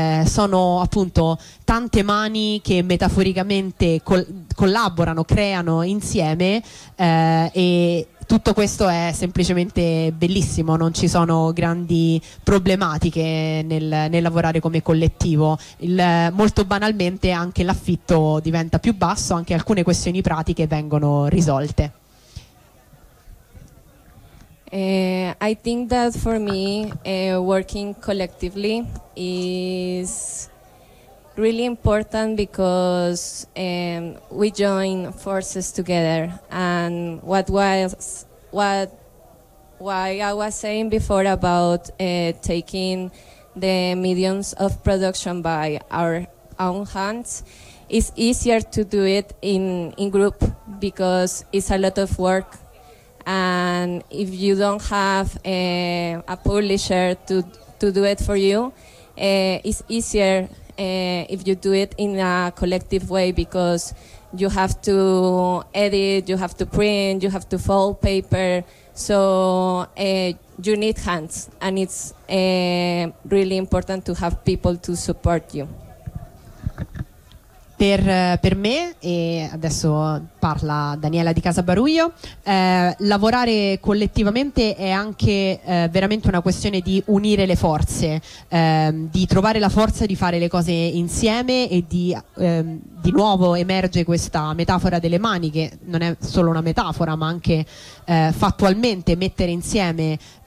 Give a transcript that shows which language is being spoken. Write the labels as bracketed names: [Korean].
[Italian] Sono appunto tante mani che metaforicamente collaborano, creano insieme, e tutto questo è semplicemente bellissimo. Non ci sono grandi problematiche nel lavorare come collettivo. Molto banalmente anche l'affitto diventa più basso, anche alcune questioni pratiche vengono risolte. [English] I think that for me, working collectively is really important, because we join forces together. And why I was saying before about taking the mediums of production by our own hands, it's easier to do it in group, because it's a lot of work. And if you don't have a publisher to do it for you, it's easier if you do it in a collective way, because you have to edit, you have to print, you have to fold paper. So you need hands, and it's really important to have people to support you. [Italian] Per me, e adesso parla Daniela di Casa Baruglio, lavorare collettivamente è anche veramente una questione di unire le forze, di trovare la forza di fare le cose insieme e di nuovo emerge questa metafora delle mani, che non è solo una metafora ma anche fattualmente mettere insieme